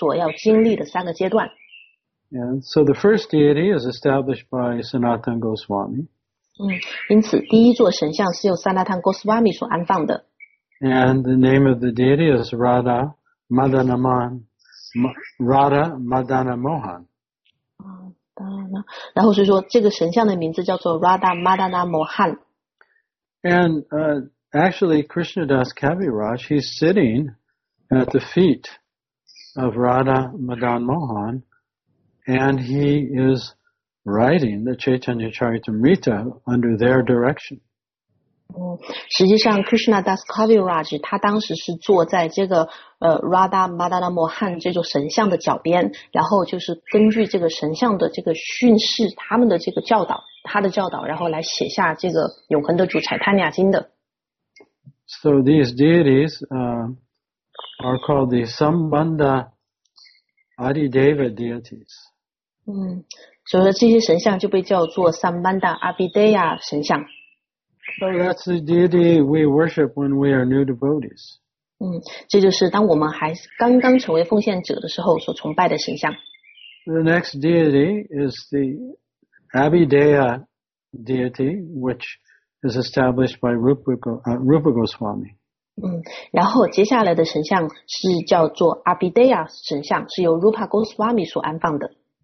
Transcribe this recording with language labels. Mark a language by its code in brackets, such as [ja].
[zh] 然后因此不仅这3座神像还继续的就是存留在这个文达文，然后并且的话，他们也代表了我们在奉爱服务道路上的进化所要经历的3个阶段。 [en] And so the first deity is established by Sanatan Goswami. [zh] 因此第一座神像是由Sanatan Goswami所安放的。 [en] And the name of the deity is Radha Madanamohan. Radha Madanamohan. [zh] 然后是说这个神像的名字叫做 Radha Madanamohan. [en] And actually Krishna Das Kaviraj, he's sitting at the feet of Radha Madanamohan, and he is writing the Chaitanya Charitamrita under their direction. [zh] 实际上 Krishna Das Kaviraj 他当时是坐在这个 Radha Madanamohan 这座神像的脚边，然后就是根据这个神像的这个训示，他们的这个教导。他的教导，然后来写下这个永恒的主柴坦尼亚经的。 [en] So these deities, are called the Sambandha Adideva deities. [zh] 嗯，所以说这些神像就被叫做 Sambandha Abideya 神像。 [en] So that's the deity we worship when we are new devotees. [zh] 嗯，这就是当我们还刚刚成为奉献者的时候所崇拜的神像。 [en] The next deity is the Abideya deity, which is established by Rupa Goswami. [zh] 嗯，然后接下来的神像是叫做 Abideya 神像，是由 Rupa Goswami 所安放的。